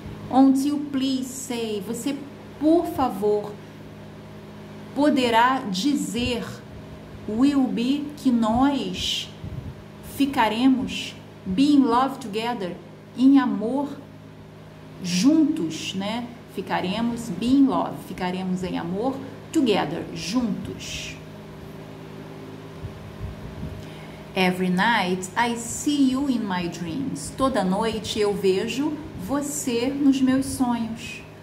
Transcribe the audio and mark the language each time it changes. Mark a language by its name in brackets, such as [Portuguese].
[English] Until you please say, [Portuguese] você por favor poderá dizer, [English] will be, [Portuguese] que nós ficaremos, [English] be in love together, [Portuguese] em amor juntos, né? Ficaremos, [English] be in love, [Portuguese] ficaremos em amor together, juntos. [English] Every night I see you in my dreams. [Portuguese] Toda noite eu vejo você nos meus sonhos.